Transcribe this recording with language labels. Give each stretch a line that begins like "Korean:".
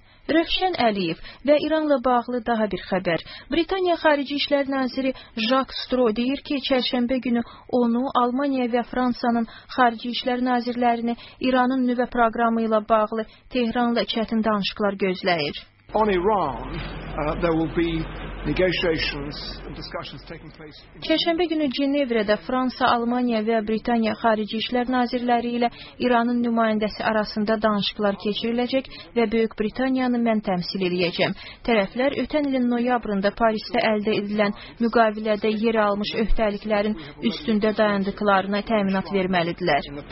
Azerbaijani: Rövşən Əliyev və İranla bağlı daha bir xəbər. Britaniya Xarici İşlər Naziri Jacques Stro deyir ki, çərşənbə günü onu Almaniya və Fransanın Xarici İşlər Nazirlərini İranın nüvə proqramı ilə bağlı Tehranla çətin danışıqlar gözləyir.
English: On İran, there will be negotiations and discussions taking place.
Azerbaijani: Çərşənbə günü Cenevrədə Fransa, Almaniya və Britaniya Xarici İşlər Nazirləri ilə İranın nümayəndəsi arasında danışıqlar keçiriləcək və Böyük Britaniyanı mən təmsil edəcəm. Tərəflər ötən ilin noyabrında Parisdə əldə edilən müqavilədə yer almış öhdəliklərin üstündə dayandıqlarına təminat verməlidirlər.